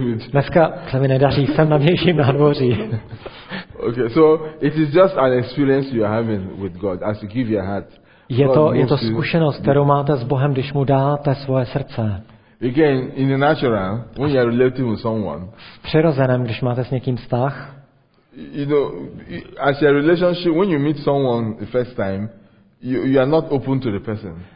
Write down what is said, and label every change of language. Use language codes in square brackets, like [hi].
[cs] Dneska se mi nedaří, jsem na vnějším nádvoří. [en] Okay, so it is just an experience you are having with God as you give your heart. [cs] Je to zkušenost, kterou máte s Bohem, když mu dáte svoje srdce. [en] Again, in the natural, when you are relating with someone. [cs] V přirozeném, když máte s někým vztah. [en] You know, as your relationship, when you meet someone the first time, you are not open to the person.